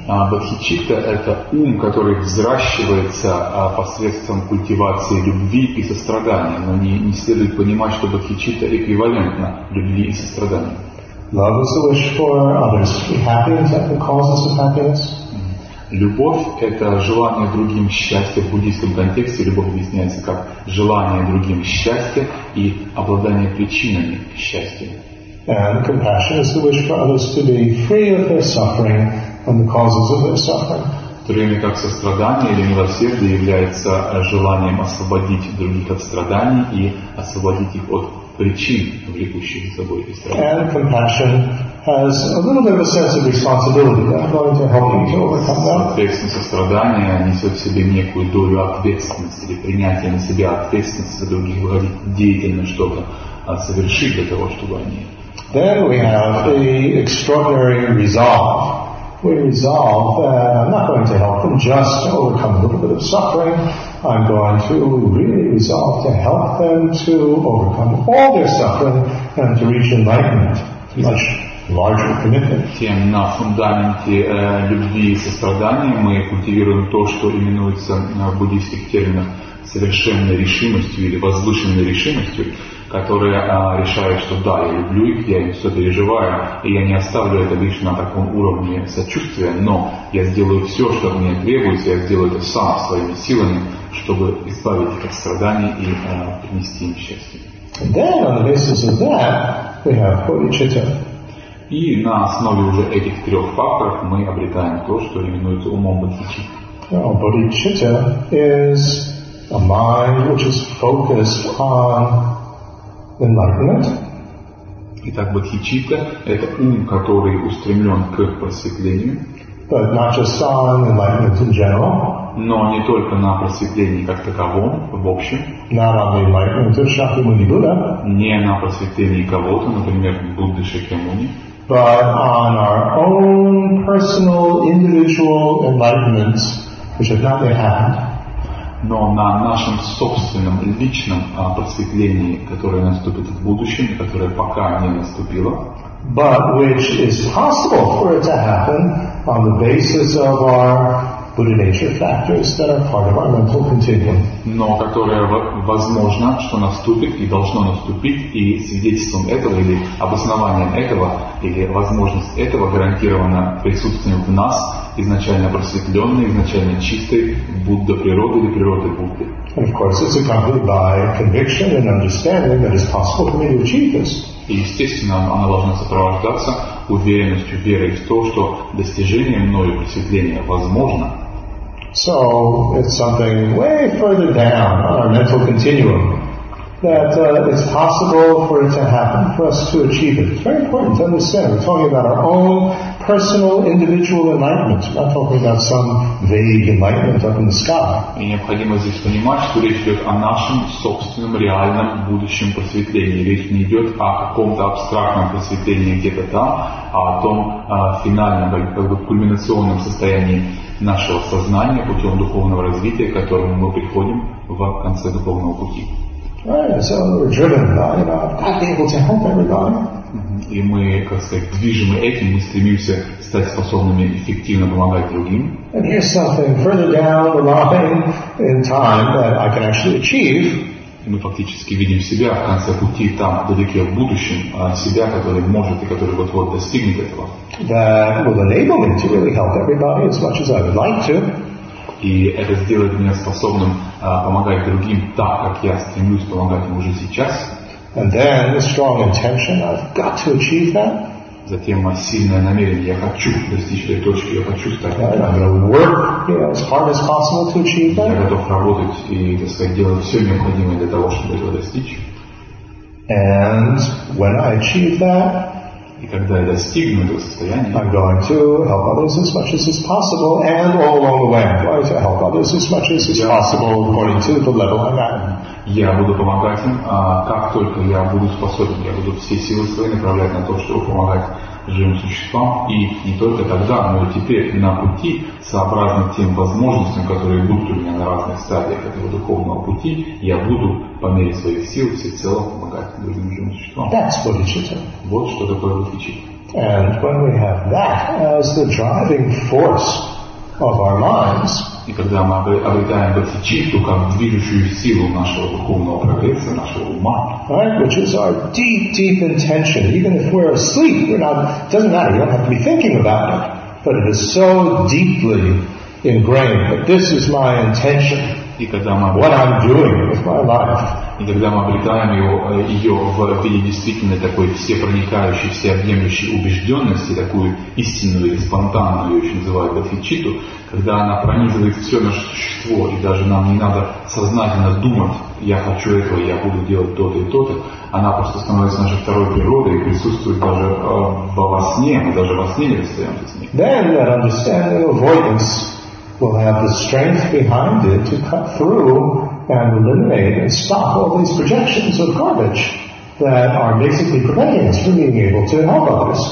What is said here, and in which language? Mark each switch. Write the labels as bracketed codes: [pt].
[ru] Бодхичитта — это ум, который взращивается посредством культивации любви и сострадания, но не следует понимать, что бодхичитта эквивалентна любви и состраданию. [en] Love is the wish for others to be happy and that the causes of happiness. [ru] Любовь — это желание другим счастья. В буддийском контексте любовь объясняется как желание другим счастья и обладание причинами счастья. [en] And compassion is the wish for others to be free of their suffering and the causes of their suffering. [ru] В то время как сострадание или милосердие является желанием освободить других от страданий и освободить их от причин, влекущих за собой эти страдания. [en] And compassion has a little bit of a sense of responsibility. I'm going to help you to overcome that. [ru] Соответственно, сострадание несет в себе некую долю ответственности или принятие на себя ответственности за других, выходить деятельно что-то совершить для того, чтобы они... [en] Then we have the extraordinary resolve. We resolve that I'm not going to help them just to overcome a little bit of suffering. I'm going to really resolve to help them to overcome all their suffering and to reach enlightenment. Much larger commitment. [ru] Тем на фундаменте любви и сострадания мы культивируем то, что именуется в буддийских терминах совершенной решимостью или возвышенной решимостью, которая решает, что да, я люблю их, я им все переживаю, и я не оставлю это лишь на таком уровне сочувствия, но я сделаю все, что мне требуется, я сделаю это сам своими силами, чтобы избавить их от страданий и принести им счастье. [en] Then, on the basis of that, we have bodhicitta. [ru] И на основе уже этих трех факторов мы обретаем то, что именуется умом бодхичитты. [en] Bodhicitta is a mind which is focused on enlightenment. [ru] Итак, бодхичитта — это ум, который устремлен к просветлению. [en] But not just on enlightenment in general. [ru] Но не только на просветлении как таковом, в общем. [en] Not on the enlightenment of Shakyamuni Buddha. [ru] Не на просветлении кого-то, например, Будды Шакьямуни. [en] But on our own personal, individual enlightenments, which have not yet happened. [ru] Но на нашем собственном личном просветлении, которое наступит в будущем, которое пока не наступило. [en] But which is possible for it to happen on the basis of our Buddha nature factors that are part of our mental continuum. [ru] Но которое возможно, что наступит и должно наступить, и свидетельством этого или обоснованием этого, или возможность этого гарантирована присутствием в нас изначально просветленной, изначально чистой Будда природы или природы Будды. [en] And of course, it's accompanied by conviction and understanding that it's possible for me to achieve this. [ru] И естественно, она должна сопровождаться уверенностью, верой в то, что достижение мною просветления возможно. [en] So it's something way further down on our mental continuum that it's possible for it to happen, for us to achieve it. It's very important to understand. We're talking about our own personal, individual enlightenment. We're not talking about some vague enlightenment up in the sky. [ru] И необходимо здесь понимать, что речь идет о нашем собственном реальном будущем просветлении. Речь не идет о каком-то абстрактном просветлении где-то там, а о том финальном, как бы кульминационном состоянии нашего сознания путем духовного развития, к которому мы приходим в конце духовного пути. [en] Right, so we're driven by God being able to help everybody. [ru] И мы, как сказать, движимы этим, мы стремимся стать способными эффективно помогать другим. [en] And here's something further down the line in time that I can actually achieve. [ru] И мы фактически видим себя в конце пути, там, вдалеке в будущем, себя, который может и который вот-вот достигнет этого. [en] That will enable me to really help everybody as much as I would like to. [ru] И это сделает меня способным помогать другим так, как я стремлюсь помогать им уже сейчас. [en] And then the strong intention, I've got to achieve that. [ru] Затем сильное намерение, я хочу достичь этой точки, я хочу стать. [en] Yeah, I'm going to work, you know, as hard as possible to achieve that. [ru] Я готов работать и, так сказать, делать все необходимое для того, чтобы этого достичь. [en] And when I achieve that, [ru] и когда я достигну этого состояния, [en] I'm going to help others as much as is possible, and all along the way, I'm going to help others as much as is possible according to the level I'm at. [ru] Я буду помогать им, как только я буду способен, я буду все силы свои направлять на то, чтобы помогать живым существам, и не только тогда, но и теперь на пути, сообразно тем возможностям, которые будут у меня на разных стадиях этого духовного пути, я буду по мере своих сил всецело помогать другим живым существам. [en] That's bodhicitta. [ru] Вот что такое bodhicitta. [en] And when we have that as the driving force of our minds, [ru] и когда мы обретаем bodhicitta как движущую силу нашего духовного прогресса, нашего ума, [en] right, which is our deep intention, even if we're asleep, we're not, it doesn't matter, you don't have to be thinking about it, but it is so deeply ingrained that this is my intention. [ru] И когда мы обретаем ее в виде действительно такой всепроникающей, всеобъемлющей убежденности, такую истинную или спонтанную, ее еще называют bodhicitta, когда она пронизывает все наше существо, и даже нам не надо сознательно думать, я хочу этого, я буду делать то-то и то-то, она просто становится нашей второй природой и присутствует даже во сне, мы даже во сне не расстаемся с ней. [en] Then that understanding of avoidance will have the strength behind it to cut through and eliminate and stop all these projections of garbage that are basically preventing us from being able to help others.